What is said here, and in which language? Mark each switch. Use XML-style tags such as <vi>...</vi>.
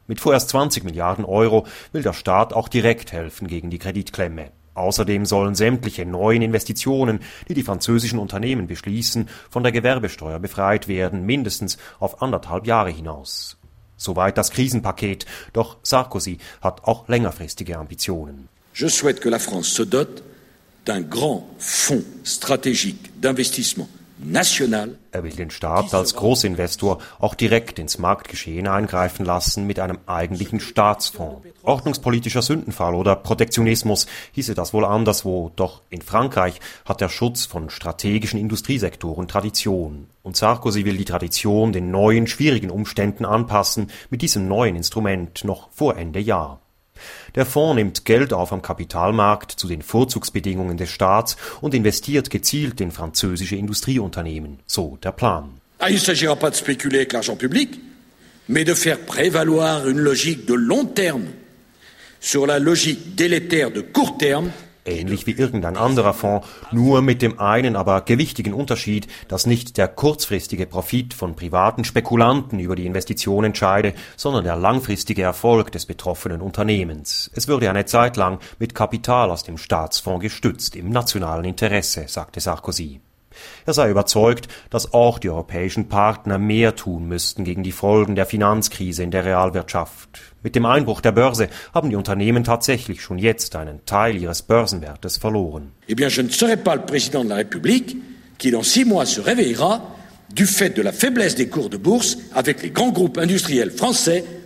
<de>Mit vorerst 20 Milliarden Euro will der Staat auch direkt helfen gegen die Kreditklemme. Außerdem sollen sämtliche neuen Investitionen, die die französischen Unternehmen beschließen, von der Gewerbesteuer befreit werden, mindestens auf 1,5 Jahre hinaus. Soweit das Krisenpaket, doch Sarkozy hat auch längerfristige Ambitionen.</de> <fr>Je souhaite que la France se dote d'un grand fonds stratégique d'investissement.</fr> <de>Er will den Staat als Großinvestor auch direkt ins Marktgeschehen eingreifen lassen mit einem eigentlichen Staatsfonds. Ordnungspolitischer Sündenfall oder Protektionismus hieße das wohl anderswo, doch in Frankreich hat der Schutz von strategischen Industriesektoren Tradition. Und Sarkozy will die Tradition den neuen, schwierigen Umständen anpassen, mit diesem neuen Instrument noch vor Ende Jahr. Der Fonds nimmt Geld auf am Kapitalmarkt zu den Vorzugsbedingungen des Staats und investiert gezielt in französische Industrieunternehmen, so der Plan.</de> <fr>Ah, il s'agira pas de spéculer avec l'argent public, mais de faire prévaloir une logique de long terme sur la logique délétère de court terme.</fr> <de>Ähnlich wie irgendein anderer Fonds, nur mit dem einen aber gewichtigen Unterschied, dass nicht der kurzfristige Profit von privaten Spekulanten über die Investition entscheide, sondern der langfristige Erfolg des betroffenen Unternehmens. Es würde eine Zeit lang mit Kapital aus dem Staatsfonds gestützt, im nationalen Interesse, sagte Sarkozy. Er sei überzeugt, dass auch die europäischen Partner mehr tun müssten gegen die Folgen der Finanzkrise in der Realwirtschaft. Mit dem Einbruch der Börse haben die Unternehmen tatsächlich schon jetzt einen Teil ihres Börsenwertes verloren.</de> <fr>Eh bien, je ne serai pas le président de la République qui dans 6 mois se réveillera du fait de la faiblesse des cours de bourse avec les grands groupes industriels français.</fr>